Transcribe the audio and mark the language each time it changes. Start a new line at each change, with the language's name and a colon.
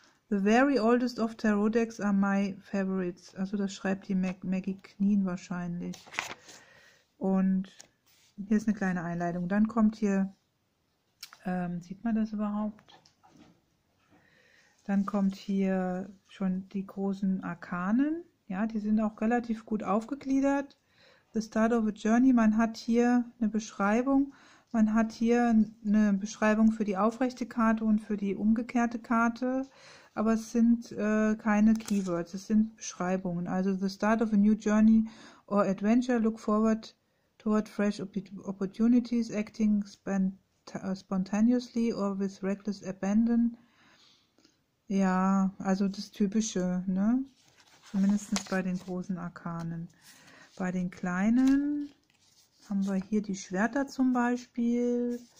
English: The very oldest of Tarot decks are my favorites.
German: Also das schreibt die Maggie Kneen wahrscheinlich. Und hier ist eine kleine Einleitung. Dann kommt hier, sieht man das überhaupt? Dann kommt hier schon die großen Arkanen. Ja, die sind auch relativ gut aufgegliedert.
English: The start of a journey.
German: Man hat hier eine Beschreibung. Man hat hier eine Beschreibung für die aufrechte Karte und für die umgekehrte Karte, aber es sind keine Keywords, es sind Beschreibungen.
English: Also, the start of a new journey or adventure, look forward toward fresh opportunities, acting spontaneously or with reckless abandon.
German: Ja, also das Typische, ne? Zumindest bei den großen Arkanen. Bei den kleinen haben wir hier die Schwerter zum Beispiel.